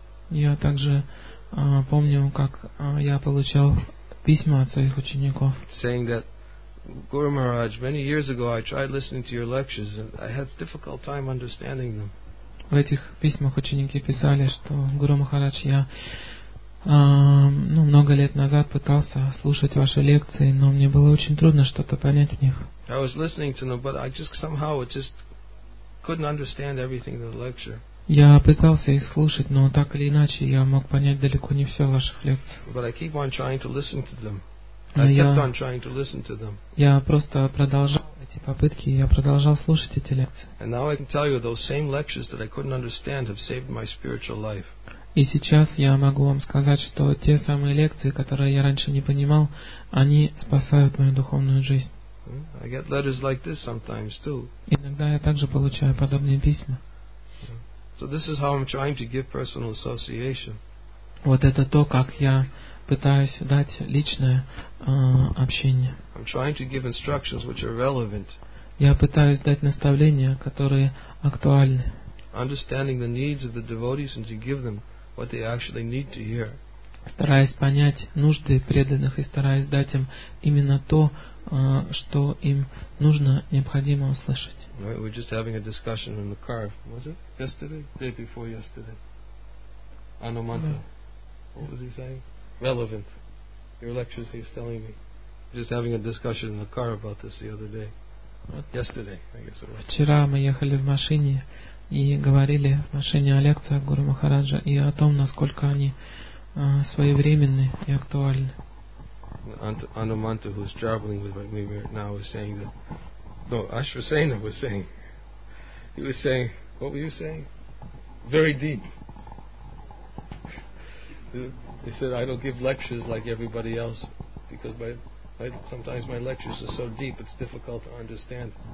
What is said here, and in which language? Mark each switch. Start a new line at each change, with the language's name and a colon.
Russian: Я также помню, как я получал письма от своих учеников.
English: Guru Maharaj, many years ago I tried listening to your lectures and I had a difficult time understanding them.
Russian: В этих письмах ученики писали, что Гуру Махарадж, я много лет назад пытался слушать ваши лекции, но мне было очень трудно что-то понять в них.
English: I was listening to them, but I just somehow just couldn't understand everything in the lecture.
Russian: Я пытался их слушать, но так или иначе я мог понять далеко не все ваших лекций.
English: But I keep on trying to listen to them. I kept on trying to listen to them.
Russian: Я просто продолжал эти попытки, я продолжал слушать эти лекции.
English: And now I can tell you those same lectures that I couldn't understand have saved my spiritual life.
Russian: И сейчас я могу вам сказать, что те самые лекции, которые я раньше не понимал, они спасают мою духовную жизнь.
English: I get letters like this sometimes too.
Russian: Иногда я также получаю подобные письма.
English: So this is how I'm trying to give personal association.
Russian: Вот это то, как я пытаюсь дать личное общение.
English: I'm trying to give instructions which are relevant.
Russian: Я пытаюсь дать наставления, которые актуальны.
English: Understanding the needs of the devotees and to give them what they actually need to hear.
Russian: Стараясь понять нужды преданных и стараясь дать им именно то, что им нужно, необходимо услышать.
English: We were just having a discussion in the car, was it? Yesterday? Day before yesterday. Anumanta. What was he saying? Relevant. Your lectures, he's telling me. Just having a discussion in the car about this the other day. Yesterday, I guess it was.
Russian: Вчера мы ехали в машине и говорили в машине о лекциях Гуру Махараджа и о том, насколько они своевременны и актуальны.
English: Anumanta, who's traveling with me right now, is saying that. No, Ashwasena was saying. He was saying, what were you saying? Very deep. He said, I don't give lectures like everybody else because sometimes my lectures are so deep it's difficult to understand.